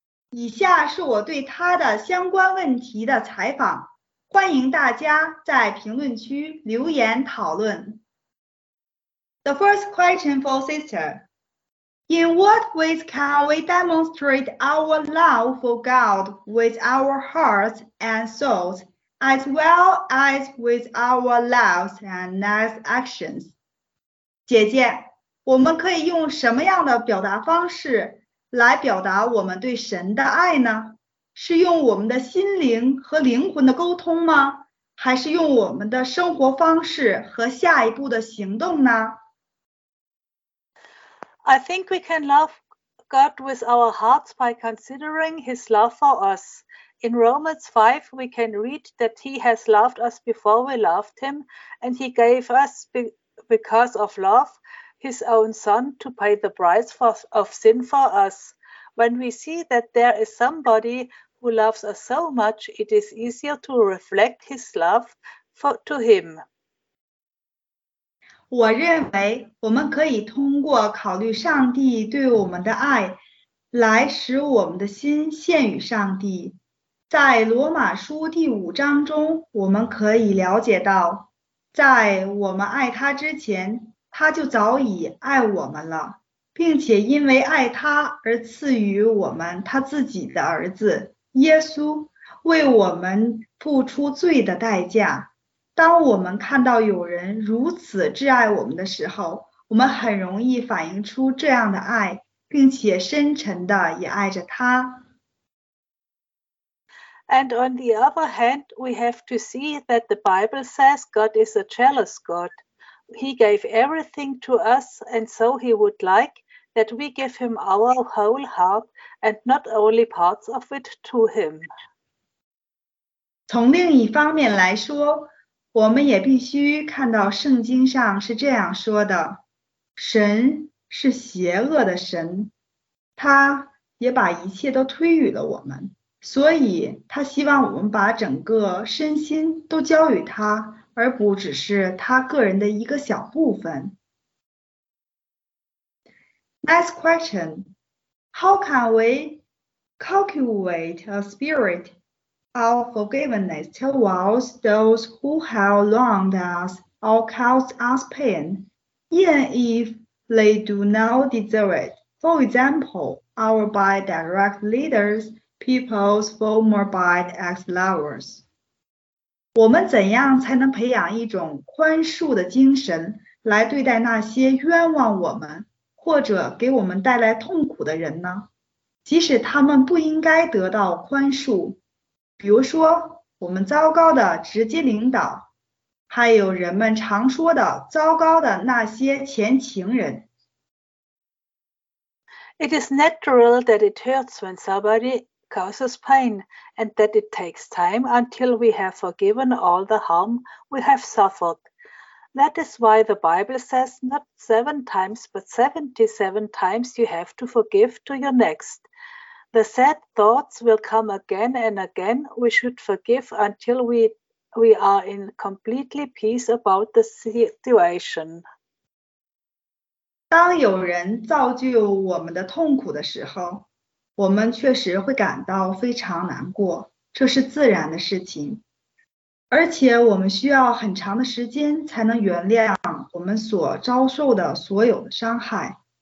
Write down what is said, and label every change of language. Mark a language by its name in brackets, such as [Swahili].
[Chinese] 以下是我对他的相关问题的采访，欢迎大家在评论区留言讨论。 [English] The first question for sister: In what ways can we demonstrate our love for God with our hearts and souls, as well as with our lives and nice actions? [Chinese] 姐姐，我们可以用什么样的表达方式来表达我们对神的爱呢？是用我们的心灵和灵魂的沟通吗？还是用我们的生活方式和下一步的行动呢？ [English] I think we can love God with our hearts by considering His love for us. In Romans 5, we can read that He has loved us before we loved Him, and He gave us because of love. His own son to pay the price of sin for us. When we see that there is somebody who loves us so much, it is easier to reflect his love to him. [Chinese] 我认为我们可以通过考虑上帝对我们的爱来使我们的心献与上帝。在罗马书第五章中，我们可以了解到，在我们爱他之前，他就早已爱我们了，并且因为爱他而赐予我们他自己的儿子耶稣，为我们付出罪的代价。当我们看到有人如此挚爱我们的时候，我们很容易反映出这样的爱，并且深沉的也爱着他。 [English] And on the other hand, we have to see that the Bible says God is a jealous God. He gave everything to us, and so he would like that we give him our whole heart and not only parts of it to him. [Chinese] 从另一方面来说，我们也必须看到圣经上是这样说的，神是邪恶的神，他也把一切都推予了我们，所以他希望我们把整个身心都交予他。而不只是他个人的一个小部分。 [English] Next question. How can we cultivate a spirit of forgiveness towards those who have wronged us or caused us pain, even if they do not deserve it? For example, our bi-direct leaders, people's former bi-ex-lovers. [Chinese] 我们怎样才能培养一种宽恕的精神来对待那些冤枉我们或者给我们带来痛苦的人呢？即使他们不应该得到宽恕，比如说我们糟糕的直接领导，还有人们常说的糟糕的那些前情人。 [English] It is natural that it hurts when somebody... causes pain, and that it takes time until we have forgiven all the harm we have suffered. That is why the Bible says not 7 times, but 77 times you have to forgive to your next. The sad thoughts will come again and again. We should forgive until we are in completely peace about the situation. [Chinese] 当有人造就我们的痛苦的时候，我们确实会感到非常难过，这是自然的事情，而且我们需要很长的时间才能原谅我们所遭受的所有的伤害。